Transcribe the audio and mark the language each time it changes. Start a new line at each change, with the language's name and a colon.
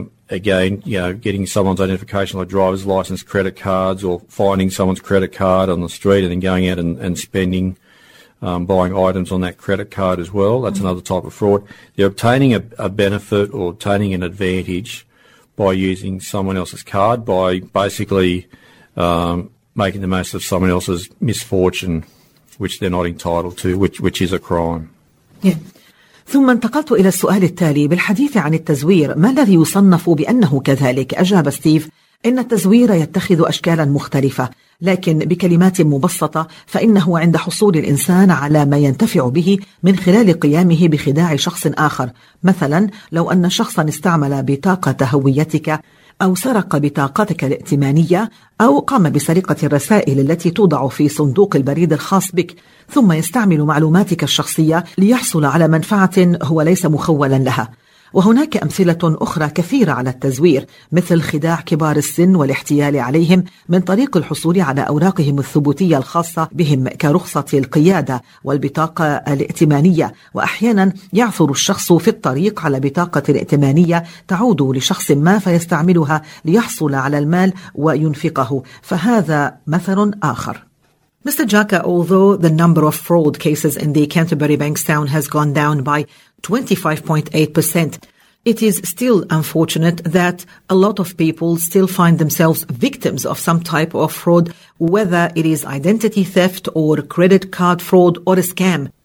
English: Again, you know, getting someone's identification like driver's license, credit cards, or finding someone's credit card on the street and then going out and spending, buying items on that credit card as well. That's another type of fraud. They're obtaining a benefit or obtaining an advantage by using someone else's card, by basically making the most of someone else's misfortune, which they're not entitled to, which is a crime. Yeah.
Arabic: ثم انتقلت إلى السؤال التالي بالحديث عن التزوير ما الذي يصنف بأنه كذلك؟ أجاب ستيف إن التزوير يتخذ أشكالا مختلفة لكن بكلمات مبسطة فإنه عند حصول الإنسان على ما ينتفع به من خلال قيامه بخداع شخص آخر مثلا لو أن شخصا استعمل بطاقة هويتك أو سرق بطاقتك الائتمانية أو قام بسرقة الرسائل التي توضع في صندوق البريد الخاص بك ثم يستعمل معلوماتك الشخصية ليحصل على منفعة هو ليس مخولا لها وهناك أمثلة أخرى كثيرة على التزوير مثل خداع كبار السن والاحتيال عليهم من طريق الحصول على أوراقهم الثبوتية الخاصة بهم كرخصة القيادة والبطاقة الائتمانية وأحيانا يعثر الشخص في الطريق على بطاقة ائتمانية تعود لشخص ما فيستعملها ليحصل على المال وينفقه فهذا مثل آخر Mr.
English: Jaka, although the number of fraud cases in the Canterbury Bankstown has gone down by 25.8%, it is still unfortunate that a lot of people still find themselves victims of some type of fraud, whether it is identity theft or credit card fraud or a scam.